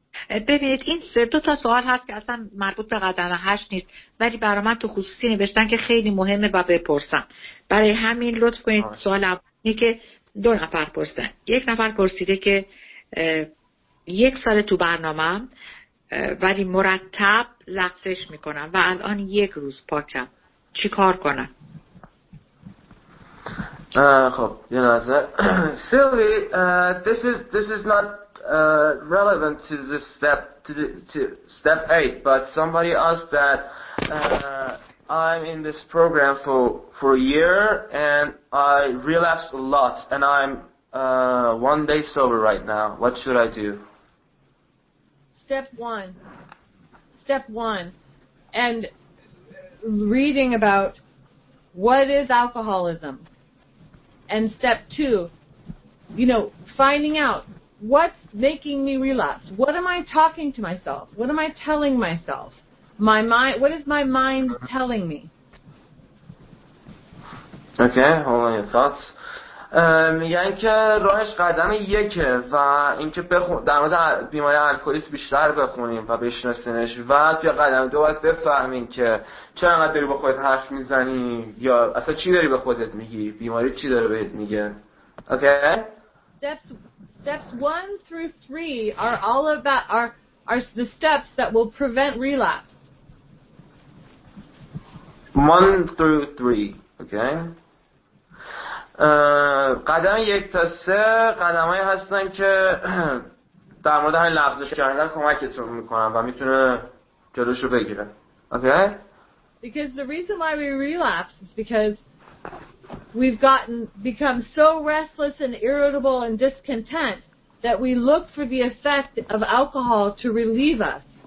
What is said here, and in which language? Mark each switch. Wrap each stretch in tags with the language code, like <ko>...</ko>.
<fa>ببینید این سر دو تا سوال هست که اصلا مربوط به قدم 8 نیست ولی برای من تو خصوصی نوشتن که خیلی مهمه و بپرسم برای همین لطف کنید سوال اولی که دو نفر پرسیدن یک نفر پرسیده که یک سال تو برنامه‌ام ولی مرتب لغزش میکنم و الان یک روز پاکم چی کار کنم خب یه نظر سیلوی</fa> <en>this is not relevant to the step to step 8 but somebody asked that I'm in this program for a year and I relapsed a lot and I'm one day sober right now what should I do step 1 and reading about what is alcoholism and step 2 you know finding out What's making me relapse? What am I talking to myself? What am I telling myself? My mind, what is my mind telling me? Okay, hold on your thoughts.</en> <fa>میگن که راهش قدم یکه و اینکه در مورد بیماری الکلیسم بیشتر بخونیم و بشناسیمش و توی قدم دو باید بفهمیم که چه انقدر داری با خودت حرف میزنی یا اصلا چی داری به خودت میگی؟ بیماری چی داره بهت میگه؟ Okay?</fa> <en>Steps 1 through 3 are all about are the steps that will prevent relapse. 1 through 3, okay.</en> <fa>قدم یک تا سه قدمایی هستن که در مورد همین لغزش کردن کمکتون میکنن و میتونه جلوش رو بگیره.</fa> <en>Okay? Because the reason why we relapse is because we've gotten become so restless and irritable and discontent. That we look for the effect of alcohol to relieve us.</en>